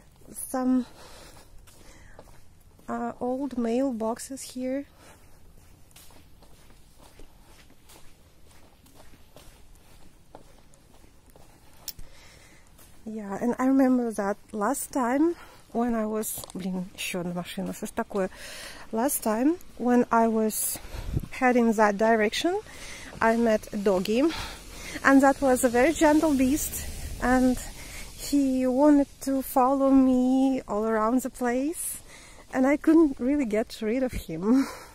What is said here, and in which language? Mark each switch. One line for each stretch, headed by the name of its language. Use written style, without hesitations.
English: Some old mailboxes here. Yeah, and I remember that last time when I was...
Russian: Блин, еще одна машина, что ж такое?
English: Last time when I was heading that direction, I met a doggy, and that was a very gentle beast, and he wanted to follow me all around the place, and I couldn't really get rid of him.